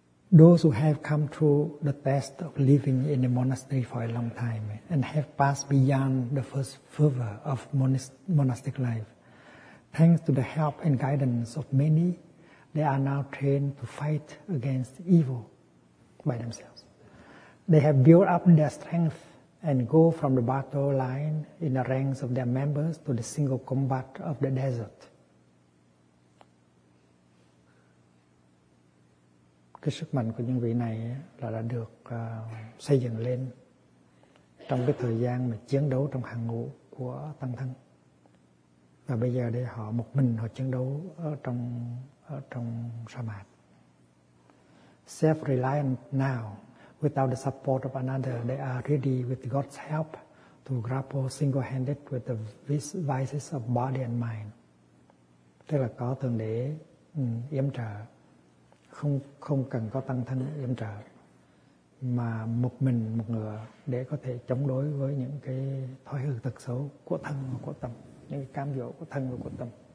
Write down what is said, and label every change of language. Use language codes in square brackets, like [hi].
[en] Those who have come through the test of living in a monastery for a long time and have passed beyond the first fervor of monastic life, thanks to the help and guidance of many, they are now trained to fight against evil by themselves. They have built up their strength and go from the battle line in the ranks of their members to the single combat of the desert. [vi] Cái sức mạnh của những vị này là đã được xây dựng lên trong cái thời gian mà chiến đấu trong hàng ngũ của tăng thân. Và bây giờ đây họ một mình họ chiến đấu ở trong sa mạc. [en] Self-reliant now, without the support of another, they are ready with God's help to grapple single-handed with the vices of body and mind. [vi] Tức là có Thượng Đế yểm trợ, không cần có tăng thân yểm trợ, mà một mình một ngựa để có thể chống đối với những cái thói hư tật xấu của thân và của tâm, những cái cám dỗ của thân và của tâm.